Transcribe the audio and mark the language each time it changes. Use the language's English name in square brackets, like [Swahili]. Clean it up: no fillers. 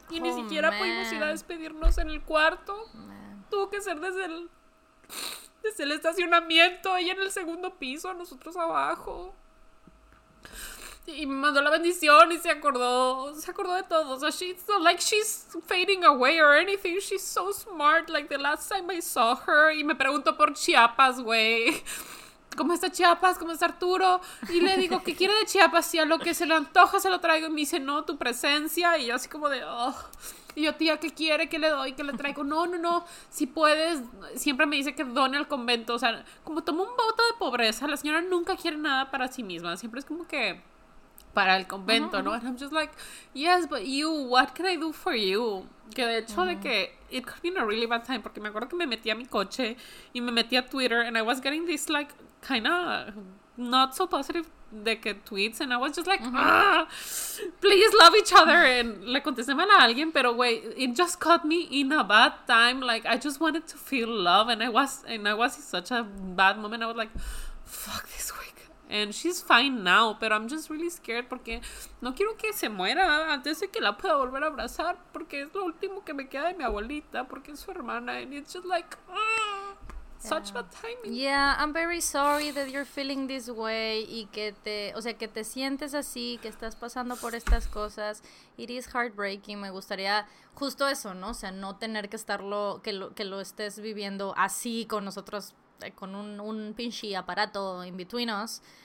[Spanish] Y ni siquiera pudimos ir a despedirnos en el cuarto. Tuvo que ser desde el estacionamiento, ella en el segundo piso, nosotros abajo. y me mandó la bendición y se acordó de todo. O sea, [English] she's not like she's fading away or anything. She's so smart. Like the last time I saw her, [Spanish] y me preguntó por Chiapas, güey. ¿Cómo está Chiapas? ¿Cómo está Arturo? Y le digo, ¿qué quiere de Chiapas? Y a lo que se le antoja se lo traigo. Y me dice, no, tu presencia. Y yo así como de, oh. Y yo, tía, ¿qué quiere? ¿Qué le doy? ¿Qué le traigo? No, no, no. Si puedes. Siempre me dice que done al convento. O sea, como toma un voto de pobreza. La señora nunca quiere nada para sí misma. Siempre es como que para el convento, uh-huh, ¿no? [English] And I'm just like, yes, but you, what can I do for you? [Spanish] Que de hecho, [English] uh-huh, de que it could be a really bad time. [Spanish] Porque me acuerdo que me metí a mi coche y me metí a Twitter. [English] And I was getting this, like, kind of not so positive de que tweets, and I was just like, uh-huh, please love each other, and [Spanish] le contesté mal a alguien, pero wey, [English] it just caught me in a bad time. Like, I just wanted to feel love, and I was in such a bad moment. I was like, fuck this week, and she's fine now, pero I'm just really scared [Spanish] porque no quiero que se muera antes de que la pueda volver a abrazar, porque es lo último que me queda de mi abuelita, porque es su hermana, [English] and it's just like, such bad timing. Yeah, I'm very sorry that you're feeling this way. [Spanish] Y que te, o sea, que te sientes así, que estás pasando por estas cosas. [English] It is heartbreaking. [Spanish] Me gustaría justo eso, ¿no? O sea, no tener que estarlo, que lo estés viviendo así con nosotros, con un pinche aparato [English] in between us.